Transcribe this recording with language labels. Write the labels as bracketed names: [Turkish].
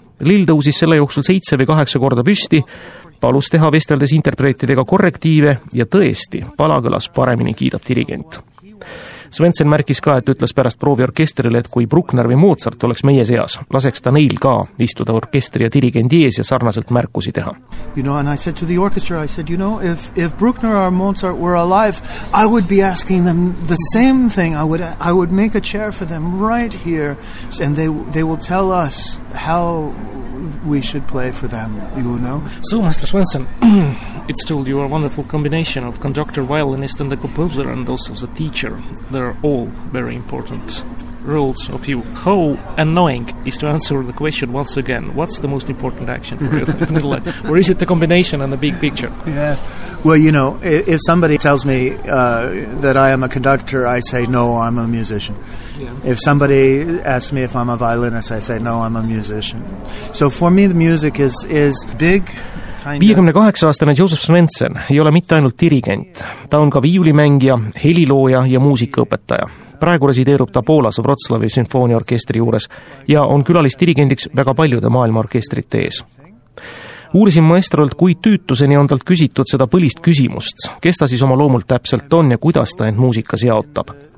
[Estonian] Lill tõusis selle jooksul 7 või 8 korda püsti, palus teha vesteldes interpreetidega korrektiive ja tõesti, pala kõlas paremini, kiidab dirigent. Svensson märkis ka, et ütles pärast proovi orkestrile, et kui Bruckner või Mozart oleks meie seas, laseks ta neil ka istuda orkestri ja dirigendi ees ja sarnaselt märkusi teha. [English] You know, and I said to the orchestra, I said, you know, if Bruckner or Mozart were alive, I would be asking them the same thing. I would make a chair for them right here, and they will tell us how we should play for them, you know. So, Master Svensson, it's told you are a wonderful combination of conductor, violinist and the composer, and also the teacher. They're all very important roles of you. How annoying is to answer the question once again, what's the most important action for your middle life? Or is it the combination and the big picture? Yes. Well, you know, if somebody tells me that I am a conductor, I say, no, I'm a musician. Yeah. If somebody asks me if I'm a violinist, I say, no, I'm a musician. So for me, the music is big. [Estonian] 58-aastane Joseph Svensson ei ole mitte ainult dirigent. Ta on ka viiulimängija, helilooja ja muusikaõpetaja. Praegu resideerub ta Poolas Wroclawi sümfooniorkestri juures ja on külalisdirigendiks väga paljude maailma orkestrite ees. Uurisin maestrolt, kui tüütuseni on talt küsitud seda põlist küsimust, kes ta siis oma loomult täpselt on ja kuidas ta end muusikas jaotab.